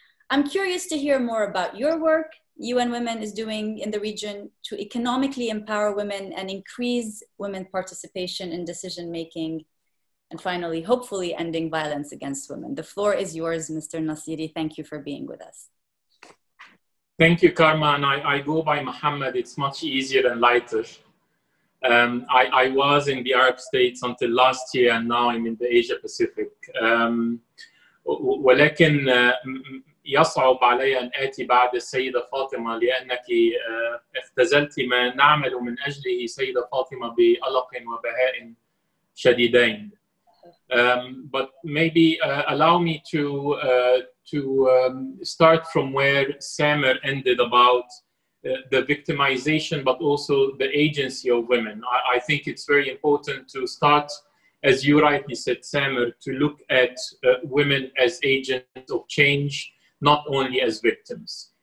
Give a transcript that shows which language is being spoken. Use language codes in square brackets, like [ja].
[en] I'm curious to hear more about your work UN Women is doing in the region to economically empower women and increase women participation in decision-making, and finally, hopefully, ending violence against women. The floor is yours, Mr. Naciri. Thank you for being with us. Thank you, Karma. And I go by Mohammed. It's much easier and lighter. I was in the Arab States until last year, and now I'm in the Asia Pacific. [ar] ولكن يصعب علي أن آتي بعد السيدة فاطمة لأنك اختزلت ما نعمل من أجله سيدة فاطمة بألق وبهاء شديدين. [en] But maybe allow me to start from where Samer ended about the victimization, but also the agency of women. I think it's very important to start, as you rightly said, Samer, to look at women as agents of change, not only as victims.